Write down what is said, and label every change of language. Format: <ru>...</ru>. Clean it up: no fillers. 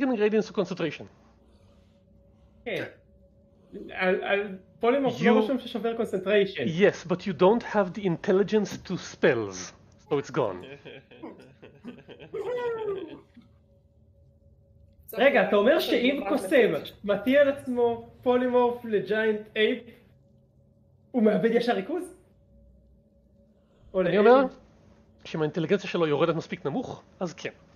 <he>Gradient הוא על פולימורף לא רשום ששובר קונצנטריישן.</he> <en>Yes, but you don't have the intelligence to spells, so it's gone.</en> <he>רגע, אתה אומר שאם קוסם מטיע על עצמו פולימורף לג'יינט אייפ, הוא מאבד ישר ריכוז? אני אומר, שאם האינטליגנציה שלו יורדת מספיק נמוך, אז כן.</he>